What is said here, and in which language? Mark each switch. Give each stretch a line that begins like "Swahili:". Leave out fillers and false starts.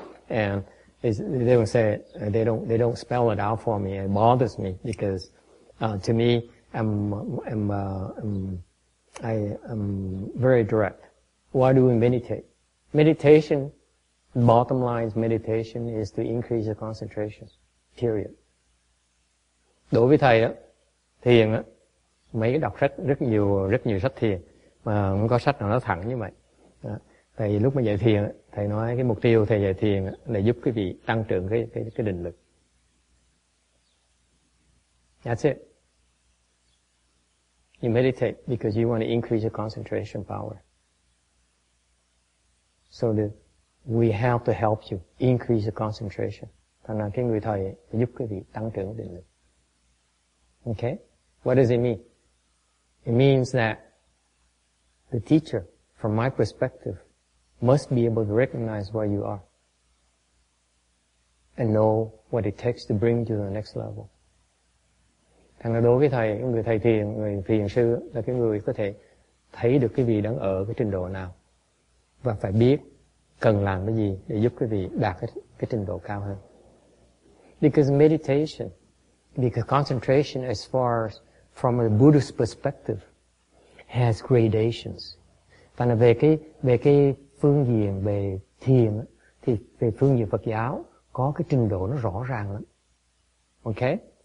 English: And they will say they don't spell it out for me. It bothers me because to me I'm very direct. Why do we meditate? Meditation, bottom line is meditation is to increase the concentration. Period.
Vietnamese: Đối với thầy á, thiền á, mấy đọc sách rất nhiều sách thiền mà không có sách nào nó thẳng như vậy. Thầy lúc mà dạy thiền, thầy nói cái mục tiêu thầy dạy thiền là giúp quý vị tăng trưởng cái định lực.
English: That's it. You meditate because you want to increase your concentration power. So that we have to help you increase your concentration.
Vietnamese: Thành ra cái người thầy giúp quý vị tăng trưởng định lực.
English: Okay? What does it mean? It means that the teacher, from my perspective, must be able to recognize where you are and know what it takes to bring you to the next level.
Vietnamese: Thành ra đối với thầy, người thầy thiền, người thiền sư là cái người có thể thấy được cái vị đang ở cái trình độ nào và phải biết cần làm cái gì để giúp cái vị đạt cái trình độ cao hơn.
English: Because meditation, because concentration as far as from a Buddhist perspective has gradations.
Vietnamese: Và về cái phương diện về thiền thì về phương diện Phật giáo có cái trình độ nó rõ ràng lắm. Okay?